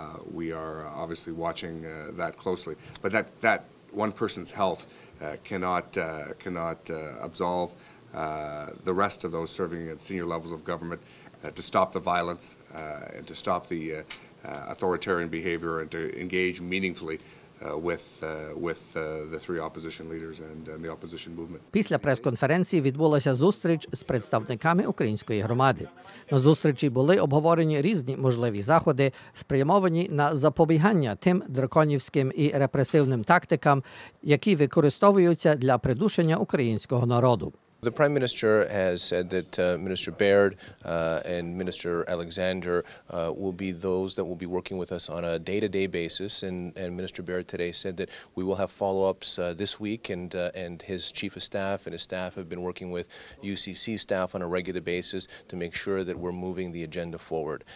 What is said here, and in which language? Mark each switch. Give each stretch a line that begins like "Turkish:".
English: We are obviously watching that closely. But that one person's health cannot absolve the rest of those serving at senior levels of government to stop the violence and to stop the authoritarian behavior and to engage meaningfully with the three opposition leaders and the opposition movement.
Ukrainian: Після прес-конференції відбулася зустріч з представниками української громади. На зустрічі були обговорені різні можливі заходи, спрямовані на запобігання тим драконівським і репресивним тактикам, які використовуються для придушення українського народу.
English: The Prime Minister has said that Minister Baird and Minister Alexander will be those that will be working with us on a day-to-day basis, and Minister Baird today said that we will have follow-ups this week, and his chief of staff and his staff have been working with UCC staff on a regular basis to make sure that we're moving the agenda forward.